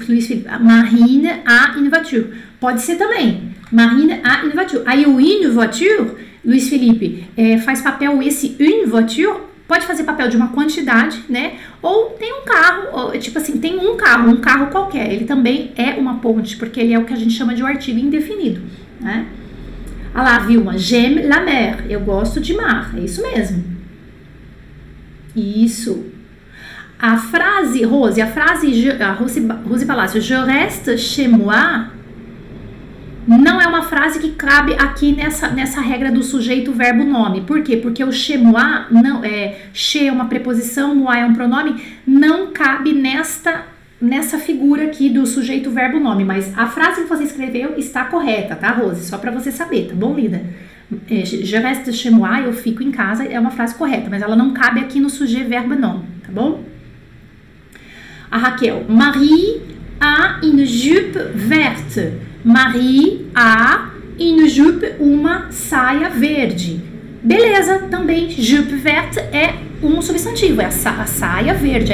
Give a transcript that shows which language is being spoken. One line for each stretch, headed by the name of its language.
French: Luiz Felipe, Marine a une voiture.
Portuguese: Pode ser também.
French: Marine a une voiture.
Portuguese: Aí o une voiture, Luiz Felipe, faz papel esse une voiture. Pode fazer papel de uma quantidade, né? Ou tem um carro, tipo assim, tem um carro qualquer. Ele também é uma ponte, porque ele é o que a gente chama de um artigo indefinido, né? Olha lá, Vilma.
French: J'aime la mer.
Portuguese: Eu gosto de mar. É isso mesmo. Isso. A frase, Rose, Rose Palácio,
French: je reste chez moi,
Portuguese: não é uma frase que cabe aqui nessa regra do sujeito, verbo, nome. Por quê? Porque o chez moi, não, chez é uma preposição, moi é um pronome, não cabe nessa figura aqui do sujeito, verbo, nome. Mas a frase que você escreveu está correta, tá, Rose? Só pra você saber, tá bom, linda?
French: Je reste chez moi,
Portuguese: eu fico em casa, é uma frase correta, mas ela não cabe aqui no sujeito, verbo, nome, tá bom?
French: A Raquel, Marie a une jupe verte. Marie a une jupe,
Portuguese: uma saia verde. Beleza, também jupe verte é um substantivo, é a saia verde.